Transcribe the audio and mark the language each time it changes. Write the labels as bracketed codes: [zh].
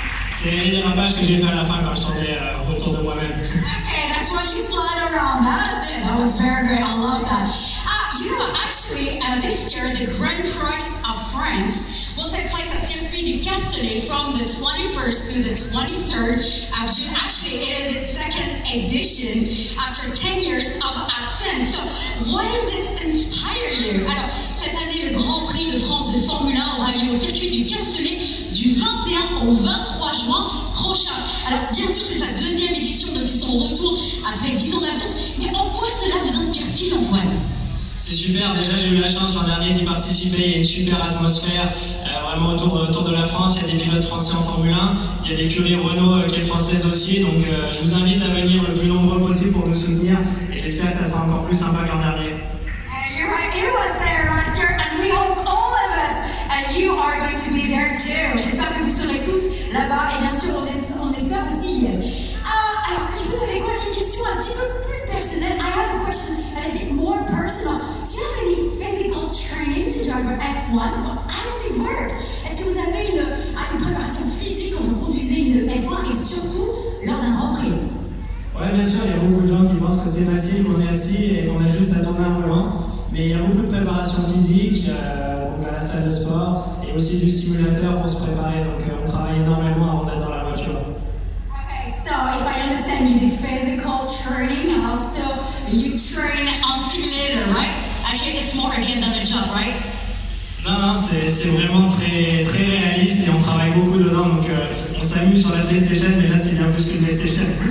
[fr] C'est les dérapages que j'ai fait à la fin quand je tournais autour de moi-même. [en] Okay, that's what you slide around. That's it. That was very great. I love that. You know, actually, this year the Grand Prix of France will take place at Circuit du Castellet from the 21st to the 23rd of June. Actually, it is its second edition after 10 years of absence. So, what does it inspire you? [fr] Alors, cette année, le Grand Prix de France de Formule 1 aura lieu au Circuit du Castellet du 21 au 23 juin prochain. Alors, bien sûr, c'est sa deuxième édition depuis son retour après 10 ans d'absence. Mais en quoi cela vous inspire-t-il, Antoine? C'est super, déjà j'ai eu la chance l'an dernier d'y participer, il y a une super atmosphère vraiment autour de la France, il y a des pilotes français en Formule 1, il y a l'écurie Renault qui est française aussi, donc je vous invite à venir le plus nombreux possible pour nous soutenir et j'espère que ça sera encore plus sympa que l'an dernier. [en] You're right, you was there last year and we hope all of us and you are going to be there too. [fr] J'espère que vous serez tous là-bas et bien sûr on espère aussi. Alors, vous avez quoi, une question un petit peu plus personnelle? [en] I have a question a bit more personal. Do you have any physical training to drive an F1? How does it work? [fr] Est-ce que vous avez une préparation physique quand vous conduisez une F1 et surtout lors d'un grand prix? Ouais, bien sûr, il y a beaucoup de gens qui pensent que c'est facile, qu'on est assis et qu'on a juste à tourner un volant. Mais il y a beaucoup de préparation physique, donc à la salle de sport, et aussi du simulateur pour se préparer. Donc on travaille énormément avant d'être dans la voiture. [en] Okay, so if I understand, you do physical training, and also you train on simulator, right? Actually, it's more again than a job, right? [fr] Non, c'est vraiment très, très réaliste et on travaille beaucoup dedans, donc on s'amuse sur la PlayStation, mais là c'est bien plus qu'une PlayStation.